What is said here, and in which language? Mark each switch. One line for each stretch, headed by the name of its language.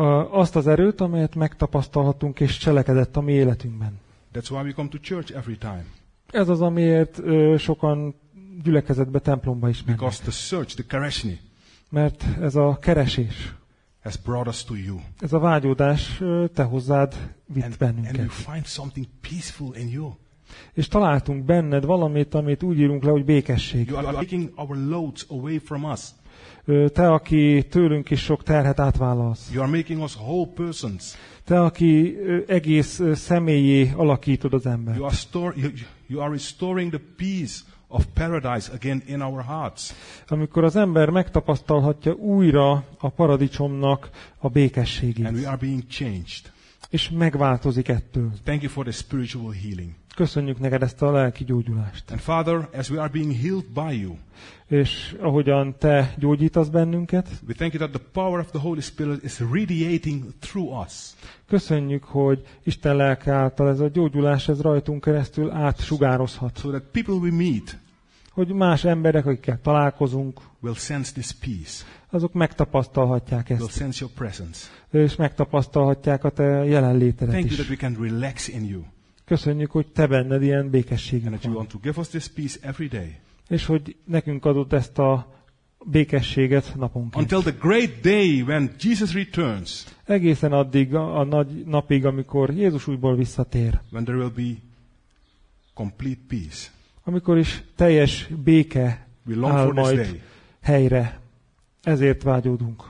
Hungarian: Azt az erőt, amelyet megtapasztalhatunk és cselekedett a mi életünkben.
English: That's why we come to church every time.
Hungarian: Ez az, amiért sokan gyülekezetbe, templomba is mennek.
English: Because the search, the keresni.
Hungarian: Mert ez a keresés.
English: Has brought us to you.
Hungarian: Ez a vágyódás te hozzád vitt and, bennünket.
English: And we find something peaceful in you.
Hungarian: És találtunk benned valamit, amit úgy írunk le, hogy békesség.
English: You are taking our loads away from us.
Hungarian: Te, aki tőlünk is sok terhet átvállalsz.
English: You are making us whole persons.
Hungarian: Te, aki egész személyé alakítod az embert.
English: You are restoring the peace of paradise again in our hearts.
Hungarian: Amikor az ember megtapasztalhatja újra a paradicsomnak a békességét.
English: And we are being changed.
Hungarian: És megváltozik ettől.
English: Thank you for the spiritual healing.
Hungarian: Köszönjük neked ezt a lelki gyógyulást.
English: And Father, as we are being healed by you.
Hungarian: És ahogyan te gyógyítasz bennünket.
English: We thank you that the power of the Holy Spirit is radiating through us.
Hungarian: Köszönjük, hogy Isten lelke által ez a gyógyulás ez rajtunk keresztül átsugározhat.
English: So that people we meet,
Hungarian: hogy más emberek, akikkel találkozunk,
English: will sense this peace.
Hungarian: Azok megtapasztalhatják ezt.
English: Will sense your presence.
Hungarian: És megtapasztalhatják a te jelenlétedet
English: thank is. You that we can relax in you.
Hungarian: Köszönjük, hogy te benned ilyen békességünk van.
English: And that you want to give us this peace every day.
Hungarian: És hogy nekünk adott ezt a békességet naponként.
English: Until the great day when Jesus returns.
Hungarian: Egészen addig a nagy napig, amikor Jézus újból visszatér.
English: When there will be complete peace.
Hungarian: Amikor is teljes béke áll majd helyre. Ezért vágyódunk.